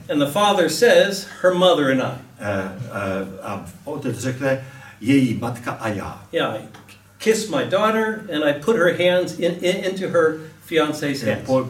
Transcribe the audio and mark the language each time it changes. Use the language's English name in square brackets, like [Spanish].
[English] And the father says, her mother and I. [Czech] A otec řekne, její matka a já. [English] Yeah, I kiss my daughter and I put her hands into her fiance's hands.